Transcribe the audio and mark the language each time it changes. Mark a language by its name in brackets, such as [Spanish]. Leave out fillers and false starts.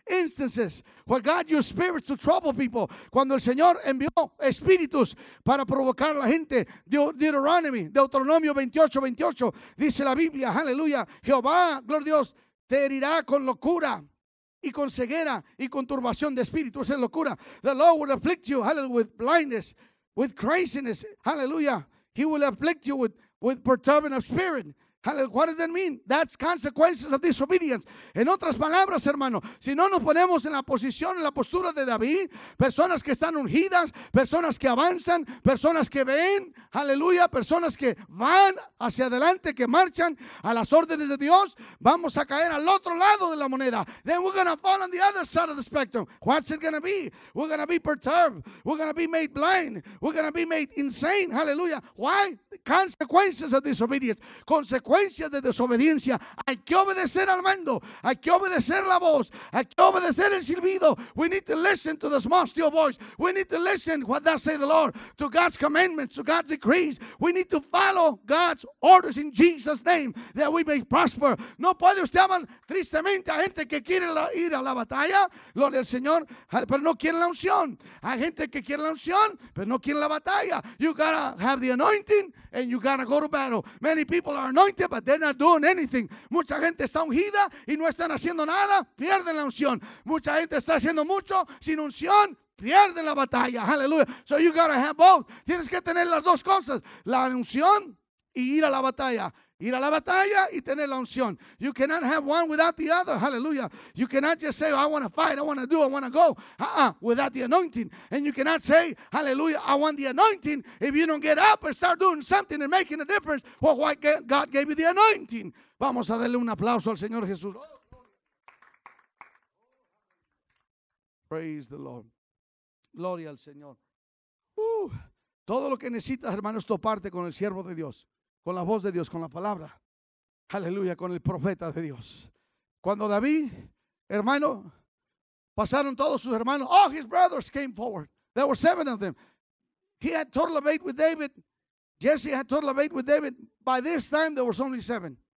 [English] Instances where God used spirits to trouble people. [Spanish] Cuando el Señor envió espíritus para provocar a la gente. Deuteronomy, Deuteronomio 28:28. Dice la Biblia, aleluya. Jehová, gloria a Dios, te herirá con locura y con ceguera y con turbación de espíritu. Es locura. [English] The Lord will afflict you, hallelujah, with blindness, with craziness, hallelujah. He will afflict you with perturbing of spirit. What does that mean? That's consequences of disobedience. [Spanish] En otras palabras, hermano, si no nos ponemos en la posición, en la postura de David, personas que están ungidas, personas que avanzan, personas que ven, aleluya, personas que van hacia adelante, que marchan a las órdenes de Dios, vamos a caer al otro lado de la moneda. [English] Then we're going to fall on the other side of the spectrum. What's it going to be? We're going to be perturbed. We're going to be made blind. We're going to be made insane. Hallelujah. Why? Consequences of disobedience. [Spanish] Consecuencias de desobediencia. Hay que obedecer al mando. Hay que obedecer la voz. Hay que obedecer el silbido. [English] We need to listen to the small still voice. We need to listen what does say the Lord, to God's commandments, to God's decrees. We need to follow God's orders in Jesus' name, that we may prosper. [Spanish] No puede usted amar tristemente a gente que quiere ir a la batalla, gloria al Señor, pero no quiere la unción. Hay gente que quiere la unción, pero no quiere la batalla. You gotta have the anointing and you gotta go to battle. Many people are anointed, but they're not doing anything. Mucha gente está ungida y no están haciendo nada, pierden la unción. Mucha gente está haciendo mucho sin unción, pierden la batalla. Hallelujah. [English] So you gotta have both. [Spanish] Tienes que tener las dos cosas: la unción y ir a la batalla. Ir a la batalla y tener la unción. [English] You cannot have one without the other. Hallelujah. You cannot just say, oh, I want to fight, I want to do, I want to go. Without the anointing. And you cannot say, hallelujah, I want the anointing, if you don't get up and start doing something and making a difference for why God gave you the anointing. [Spanish] Vamos a darle un aplauso al Señor Jesús. [English] Praise the Lord. [Spanish] Gloria al Señor. Todo lo que necesitas, hermanos, toparte con el siervo de Dios. Con la voz de Dios, con la palabra. Aleluya, con el profeta de Dios. Cuando David, hermano, pasaron todos sus hermanos. [English] All his brothers came forward. There were 7 of them. He had total of 8 with David. Jesse had total of 8 with David. By this time, there was only 7.